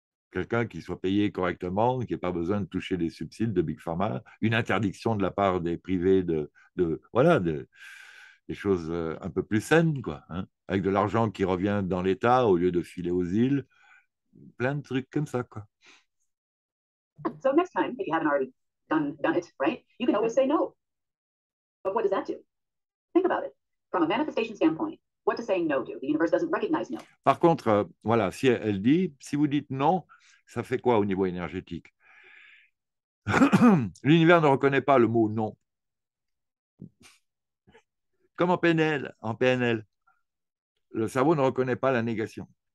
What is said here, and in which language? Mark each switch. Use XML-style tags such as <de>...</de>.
<fr>Quelqu'un qui soit payé correctement, qui n'ait pas besoin de toucher des subsides de Big Pharma, une interdiction de la part des privés de des choses un peu plus saines, quoi, hein, avec de l'argent qui revient dans l'État au lieu de filer aux îles. Plein de trucs comme ça, quoi.</fr> <en>So next time, if you haven't already done it, right, you can always say no. But what does that do? Think about it. From a manifestation standpoint, what does saying no do? The universe doesn't recognize no.</en> <fr>Par contre, voilà, si elle dit, si vous dites non, ça fait quoi au niveau énergétique? L'univers ne reconnaît pas le mot non. Comme en PNL, le cerveau ne reconnaît pas la négation.</fr>